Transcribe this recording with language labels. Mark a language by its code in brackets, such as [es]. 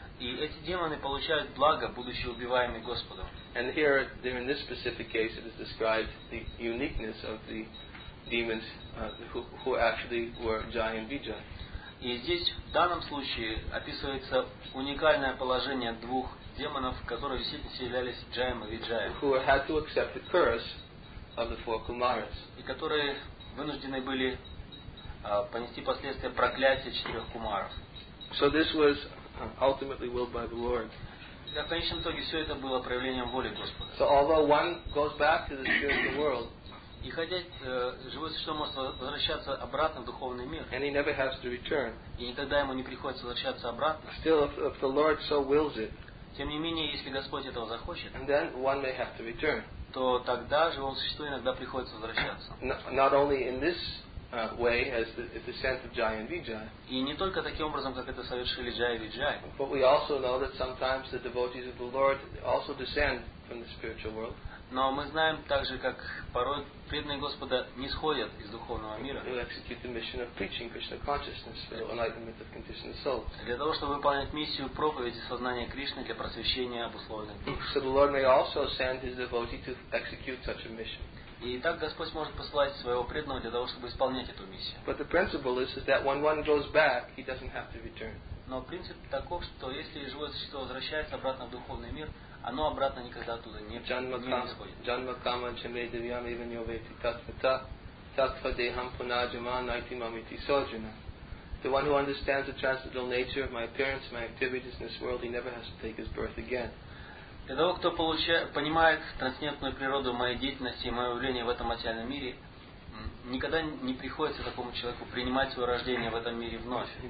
[ru] И эти демоны получают благо, будучи убиваемыми Господом. [en] And here, in this specific case, it is described the uniqueness of the demons who actually were Jaya and Vijaya. [ru] И здесь в данном случае описывается уникальное положение двух демонов, которые действительно являлись Джаем и Виджаем. [en] Who had to accept the curse of the four Kumaras. [ru] И которые вынуждены были понести последствия проклятия четырех кумаров. [en] So this was ultimately willed by the Lord. [ru] В конечном итоге все это было проявлением воли Господа. [en] So although one goes back to the spiritual world, [ru] и хотя живое существо может возвращаться обратно в духовный мир, [en] and he never has to return, [ru] и никогда ему не приходится возвращаться обратно, [en] still if the Lord so wills it, [ru] тем не менее, если Господь этого захочет, [en] and then one may have to return, [ru] то тогда живому существу иногда приходится возвращаться. [en] Not only in this way as the descent of Jaya and Vijaya. [ru] И не только таким образом, как это совершили Джая и Виджая. [en] But we also know that sometimes the devotees of the Lord also descend from the spiritual world. [ru] Но мы знаем также, как порой преданные Господа нисходят из духовного мира. [en] They execute the mission of preaching Krishna consciousness for the enlightenment of conditioned souls. [ru] Для того, чтобы выполнять миссию проповеди сознания Кришны для просвещения обусловленных душ. [en] So the Lord may also send his devotee to execute such a mission. [ru] И так Господь может посылать своего преданного для того, чтобы исполнять эту миссию. [en] But the principle is that when one goes back, he doesn't have to return. [ru] Но принцип таков, что если живое существо возвращается обратно в духовный мир, оно обратно никогда оттуда не исходит. [sa] Janma kama chame devyam eva nyoveti tatvata tatva deham punajama naiti mamiti sojana. [en] The one who understands the transcendental nature of my appearance, my activities in this world, he never has to take his birth again. [ru] Для того, кто понимает трансцендентную природу моей деятельности и моего явления в этом материальном мире, никогда не приходится такому человеку принимать свое рождение в этом мире вновь.